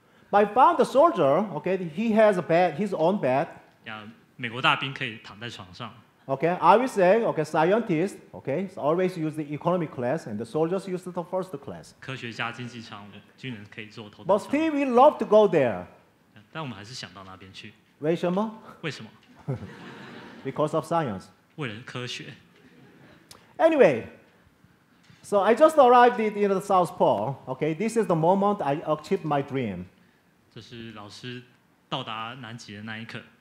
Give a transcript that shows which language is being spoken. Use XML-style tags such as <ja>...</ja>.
<en>But I found the soldier, okay, he has a bed, his own bed.</en> <zh>Yeah, 美国大兵可以躺在床上。</zh> <en>Okay, I will say, okay, scientist, okay, so always use the economy class, and the soldiers use the first class.</en> <zh>科学家经济舱，军人可以坐头等舱。</zh> <en>But still, we love to go there.</en> <zh>但我们还是想到那边去。为什么？为什么？</zh> <en>Because of science.</en> <zh>为了科学。</zh> <en>Anyway. So I just arrived in the South Pole. Okay, this is the moment I achieved my dream.</en> <zh>这是老师到达南极的那一刻。</zh>